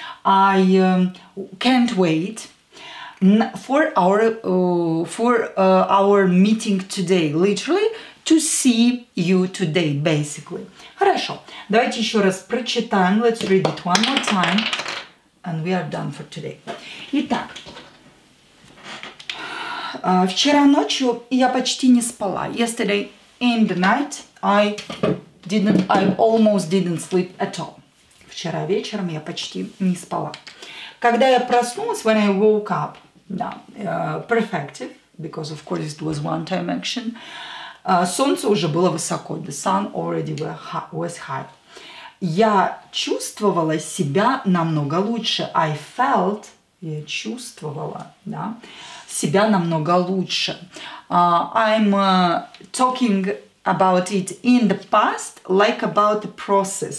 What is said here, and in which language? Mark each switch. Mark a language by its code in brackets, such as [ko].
[en] I can't wait for our meeting today, literally, to see you today, basically. [ru] Хорошо. Давайте еще раз прочитаем. [en] Let's read it one more time. And we are done for today. [ru] Итак. Вчера ночью я почти не спала. [en] Yesterday in the night I almost didn't sleep at all. [ru] Вчера вечером я почти не спала. Когда я проснулась, [en] when I woke up, perfective, because of course it was one time action, [ru] солнце уже было высоко. [en] The sun already was high. [ru] Я чувствовала себя намного лучше. [en] I felt, [ru] я чувствовала, да, себя намного лучше. [en] I'm talking about it in the past, like about the process.